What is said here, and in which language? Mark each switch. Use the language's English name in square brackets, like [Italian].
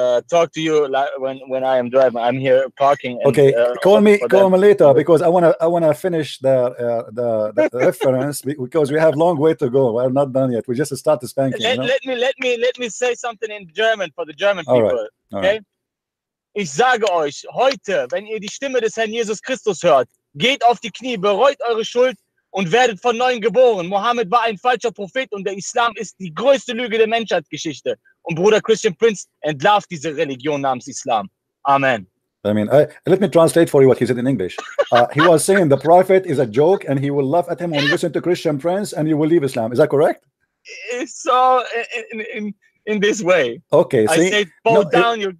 [English] Talk to you when I am driving. I'm here parking. And, okay, call me later because I wanna finish the reference because we have long way to go. We're not done yet. We just start the spanking. Let me say something in German for the German people. Right. Okay, right. [German] Ich sage euch heute, wenn ihr die Stimme des Herrn Jesus Christus hört, geht auf die Knie, bereut eure Schuld und werdet von neuem geboren. Mohammed war ein falscher Prophet und der Islam ist die größte Lüge der Menschheitsgeschichte. Und Bruder Christian Prince entlarvt diese Religion namens Islam. Amen. [English] I mean, let me translate for you what he said in English. He was saying the prophet is a joke and he will laugh at him when you listen to Christian Prince and you will leave Islam. Is that correct? So, in, in this way. Okay, see, I said, bow down your knees.